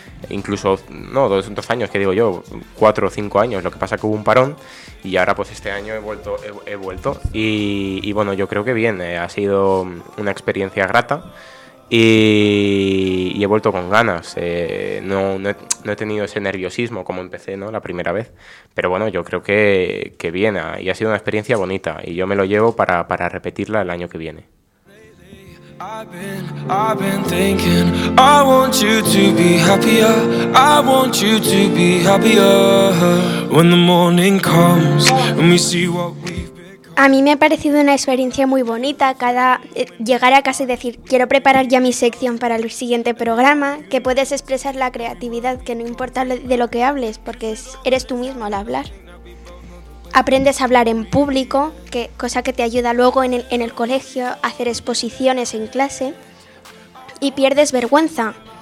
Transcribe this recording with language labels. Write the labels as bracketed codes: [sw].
[es] Incluso, no, 2 años, que digo yo, 4 o 5 años, lo que pasa que hubo un parón y ahora pues este año he vuelto y bueno, yo creo que bien, ha sido una experiencia grata y he vuelto con ganas, no he tenido ese nerviosismo como empecé, ¿no?, la primera vez, pero bueno, yo creo que bien, y ha sido una experiencia bonita y yo me lo llevo para repetirla el año que viene. [en] I've been thinking, I want you to be happier, I want you to be happier when the morning comes and we see what we've become. [es] A mí me ha parecido una experiencia muy bonita llegar a casa y decir, quiero preparar ya mi sección para el siguiente programa, que puedes expresar la creatividad, que no importa de lo que hables, porque eres tú mismo al hablar. Aprendes a hablar en público, cosa que te ayuda luego en el colegio a hacer exposiciones en clase, y pierdes vergüenza.